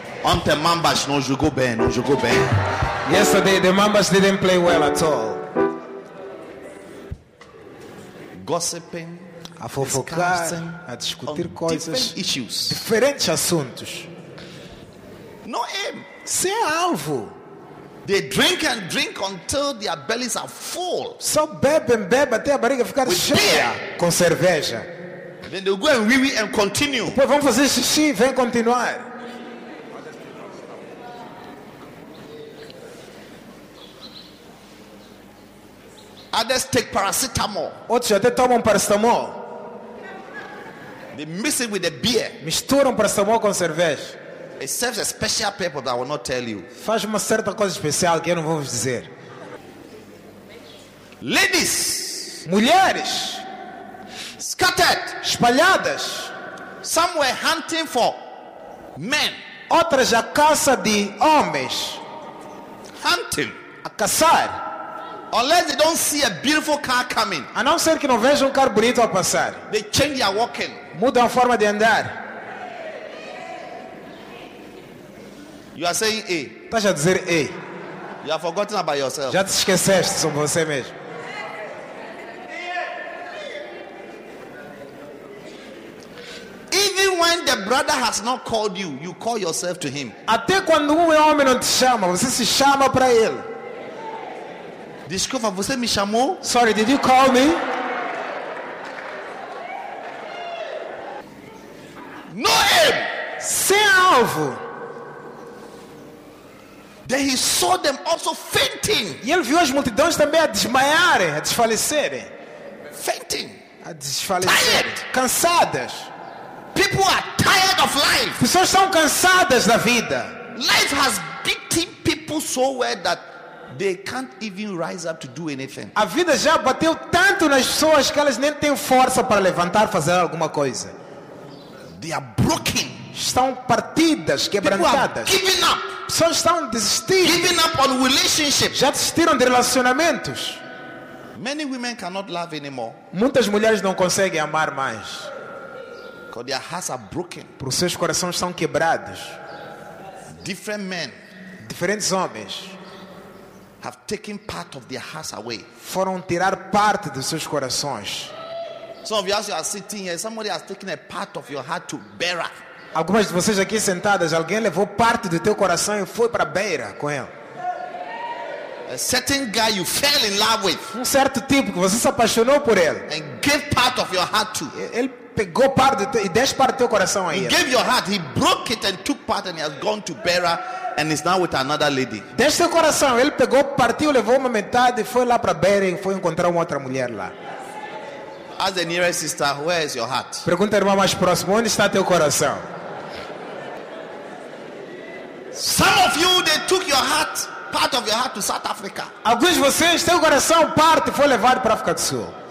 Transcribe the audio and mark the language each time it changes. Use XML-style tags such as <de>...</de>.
<pt>Ontem Mambas não jogou bem, não jogou bem.</pt> <en>Yesterday the Mambas didn't play well at all. Gossiping,</en> <pt>a fofocar, a discutir coisas,</pt> <en>different issues,</en> <pt>diferentes assuntos.</pt> <en>No aim,</en> <pt>sem alvo.</pt> <en>They drink and drink until their bellies are full.</en> <pt>Só bebem, bebem até a barriga ficar cheia com cerveja.</pt> <en>Then they go and wee and continue.</en> <pt>Depois vão fazer xixi, vem continuar.</pt> <en>Others take paracetamol.</en> <pt>Outros até tomam paracetamol.</pt> <en>They mix it with the beer.</en> <pt>Misturam paracetamol com cerveja.</pt> <en>It serves a special purpose that I will not tell you.</en> <pt>Faz uma certa coisa especial que eu não vou vos dizer.</pt> <en>Ladies,</en> <pt>mulheres,</pt> <en>scattered,</en> <pt>espalhadas.</pt> <en>Some were hunting for men.</en> <pt>Outras à caça de homens.</pt> <en>Hunting,</en> <pt>a caçar.</pt> <en>Unless they don't see a beautiful car coming,</en> <pt>a não ser que não vejam um carro bonito a passar,</pt> <en>they change their walking,</en> <pt>mudam a forma de andar.</pt> <en>You are saying A.</en> <pt>Estás a dizer A.</pt> <en>You have forgotten about yourself.</en> <pt>Já te esqueceste sobre você mesmo.</pt> <en>Even when the brother has not called you, you call yourself to him.</en> <pt>Até quando homem não te chama, você se chama para ele. Desculpa, você me chamou?</pt> <en>Sorry, did you call me? No aim!</en> <pt>Sem alvo!</pt> <en>Then he saw them also fainting.</en> <pt>E ele viu as multidões também a desmaiarem, a desfalecerem.</pt> <en>Fainting.</en> <pt>A desfalecer.</pt> <en>Tired.</en> <pt>Cansadas.</pt> <en>People are tired of life.</en> <pt>Pessoas estão cansadas da vida.</pt> <en>Life has beaten people so well that they can't even rise up to do anything.</en> <pt>A vida já bateu tanto nas pessoas que elas nem têm força para levantar, fazer alguma coisa.</pt> <en>They are broken.</en> <pt>Estão partidas, quebrantadas.</pt> <en>People are giving up.</en> <pt>Pessoas estão desistindo.</pt> <en>Giving up on relationships.</en> <pt>Já desistiram de relacionamentos.</pt> <en>Many women cannot love anymore.</en> <pt>Muitas mulheres não conseguem amar mais.</pt> <en>Because their hearts are broken.</en> <pt>Porque seus corações estão quebrados.</pt> <en>Different men.</en> <pt>diferentes homens</pt> <en>have taken part of their hearts away.</en> <pt>Foram tirar parte dos seus corações.</pt> <en>Some of you, as you are sitting here, somebody has taken a part of your heart to Beira.</en> <pt>Algumas de vocês aqui sentadas, alguém levou parte do teu coração e foi para Beira com ele.</pt> <en>A certain guy you fell in love with.</en> <pt>Um certo tipo que você se apaixonou por ele.</pt> <en>And gave part of your heart to.</en> <pt>Ele pegou parte do teu, e deixou parte do teu coração aí.</pt> <en>He gave your heart, he broke it and took part and he has gone to Beira and is now with another lady.</en> <pt>Deixou seu coração, ele pegou, partiu, levou uma metade e foi lá para Beira e foi encontrar uma outra mulher lá.</pt> <en>As the nearest sister, where is your heart?</en> <pt>Pergunta a irmã mais próxima, onde está teu coração?</pt> <en>Some of you, they took your heart, part of your heart to South Africa.</en> <pt>Alguns de vocês, teu coração parte foi levado para a África do Sul.</pt>